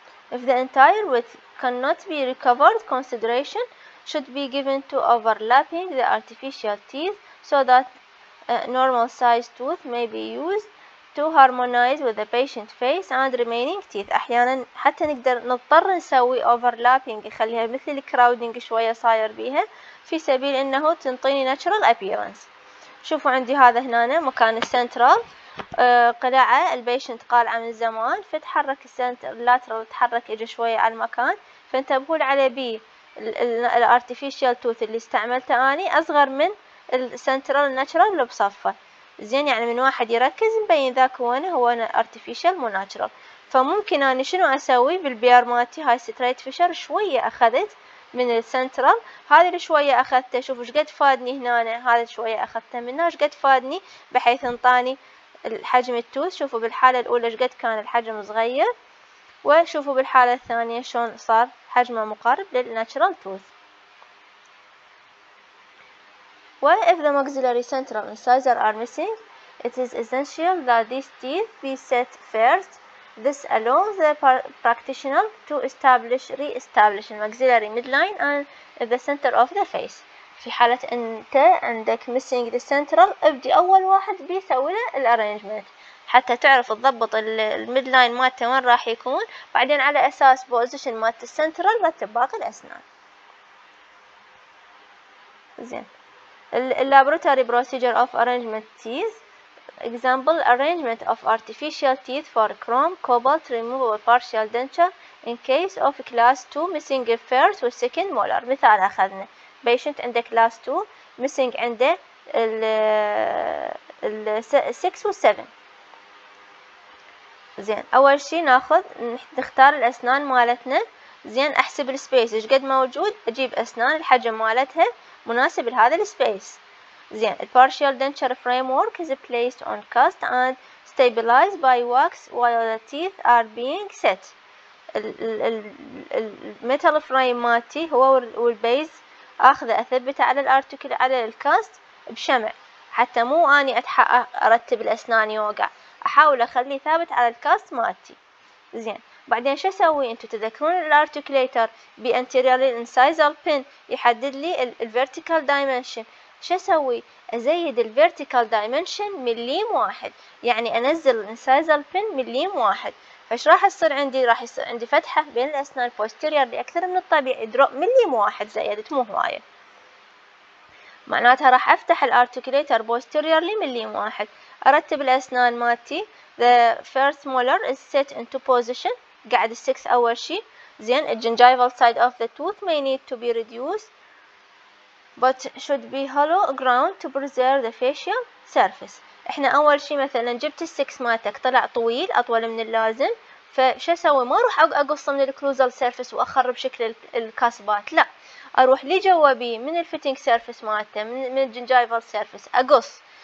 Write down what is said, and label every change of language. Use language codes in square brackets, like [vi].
[en] If the entire width cannot be recovered, consideration should be given to overlapping the artificial teeth so that a normal sized tooth may be used to harmonize with the patient face and remaining teeth. [ar] احيانا حتى نقدر نضطر نسوي overlapping يخليها مثل الكراودنج شوية صاير بيها في سبيل انه تنطيني natural appearance. شوفوا عندي هذا هنا مكان السنترال قلعة البيشنت قالعة من زمان، فتحرك السنتر اللاترال تحرك اجى شوية على المكان، فانتبهوا على بي الارتفيشال توث اللي استعملته اني اصغر من السنترال الناتشرال اللي بصفه. زين يعني من واحد يركز مبين ذاك هو انا ارتفيشال مو ناتشرال، فممكن اني شنو اسوي بالبيار ماتي هاي ستريت فيشر شوية اخذت من السنترال، هذه اللي شوية اخذته شوفوا ايش قد فادني هنا، هذا شوية اخذته منه ايش قد فادني بحيث انطاني الحجم التوث. شوفوا بالحالة الأولى شقد كان الحجم صغير، وشوفوا بالحالة الثانية شلون صار حجمه مقارب للناتشرال توث. [en] و if the maxillary central incisors are missing, it is essential that these teeth be set first. This allows the practitioner to establish re-establish the maxillary midline and the center of the face. [ar] في حالة انت عندك missing the central ابدي اول واحد بيسوي له الارانجمنت حتى تعرف تضبط الميدلاين مالته وين راح يكون، بعدين على اساس بوزيشن مالت السنترال رتب باقي الاسنان. [en] زين اللابوراتوري procedure of arrangement teeth example arrangement of artificial teeth for chrome cobalt removal or partial denture in case of class 2 missing first or second molar. [ar] مثال اخذنا patient عنده class 2 missing عنده ال 6 و 7. زين اول شيء ناخذ نختار الاسنان مالتنا، زين احسب السبيس ايش قد موجود، اجيب اسنان الحجم مالتها مناسب لهذا السبيس. [en] زين the partial denture framework is placed on cast and stabilized by wax while the teeth are being set. [ar] الميتال فريم مالتي هو والبيز اخذ اثبت على الارتكل على الكاست بشمع حتى مو اني ارتب الاسنان يوقع، احاول اخليه ثابت على الكاست مالتي. زين بعدين شو اسوي؟ انتو تذكرون الارتكليتر بانتيريال انسايزال بين يحدد لي الفيرتيكال دايمنشن. شو اسوي؟ ازيد الفيرتيكال دايمنشن مليم واحد، يعني انزل الانسايزال بين مليم واحد. فش راح يصير عندي؟ راح يصير عندي فتحة بين الأسنان بوستيريرلي أكثر من الطبيعي، دروب مليم واحد زيادت مو هواية، معناتها راح أفتح الأرتكليتر بوستيريرلي مليم واحد. أرتب الأسنان ماتي، [en] the first molar is set into position، [ar] قاعد السكس أول شي. [en] زين the gingival side of the tooth may need to be reduced but should be hollow ground to preserve the facial surface. [ar] احنا اول شيء مثلا جبت السكس ماتك طلع طويل اطول من اللازم، فشو اسوي؟ ما اروح اقص من الكلوزال سيرفس واخرب شكل الكاسبات، لا، اروح لي جوابي من الفيتنج سيرفس مالته من الجنجايفال سيرفس اقص.